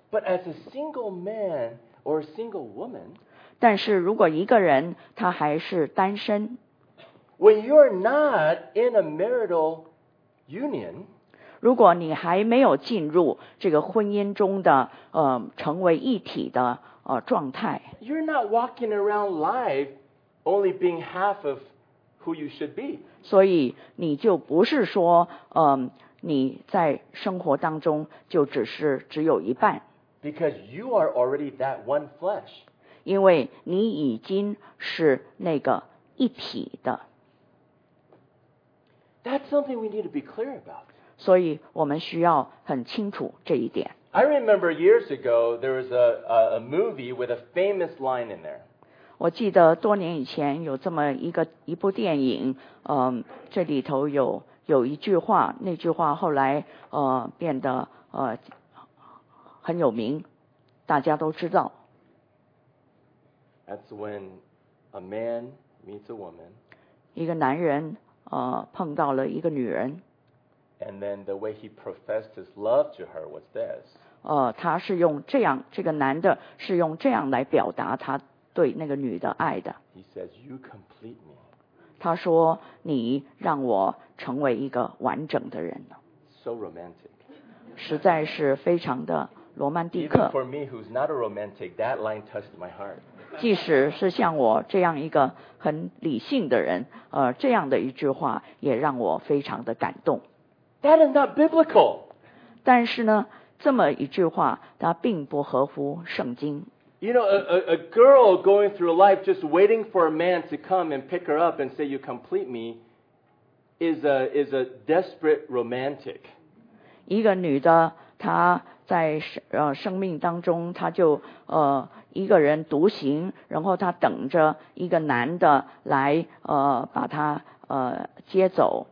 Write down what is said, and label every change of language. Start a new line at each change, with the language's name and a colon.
English: But as a single man or a single woman,
Chinese: 但是如果一个人他还是单身
English: ，when you're not in a marital Union,
Chinese: 如果你还没有进入这个婚姻中的成为一体的状态
English: You're not walking around life only being half of who you should be.
Chinese: 所以你就不是说你在生活当中就只有一半
English: Because you are already that one flesh.
Chinese: 因为你已经是那个一体的
English: That's something we need to be clear about.
Chinese: 所以我们需要很清楚这一点。
English: I remember years ago, there was a movie with a famous line in there.
Chinese: 我记得多年以前有这么一部电影，这里头有一句话，那句话后来变得很有名，大家都知道。
English: That's when a man meets a woman.
Chinese: 一个男人碰到了一个女人
English: And then the way he professed his love to her was this.
Chinese: 他是用这样，这个男的是用这样来表达他对那个女的爱的。
English: He says, "You complete me."
Chinese: 他说，你让我成为一个完整的人。
English: So romantic.
Chinese: 实在是非常的罗曼蒂克。
English: Even for me, who's not a romantic, that line touched my heart.
Chinese: 即使是像我这样一个很理性的人，这样的一句话也让我非常的感动。
English: That is not biblical.
Chinese: 但是呢，这么一句话，它并不合乎圣经。
English: You know, a girl going through life just waiting for a man to come and pick her up and say, "You complete me," is a desperate romantic.
Chinese: 一个女的, 她在生命当中，她就一个人独行， 然后她等着一个男的来把她接走，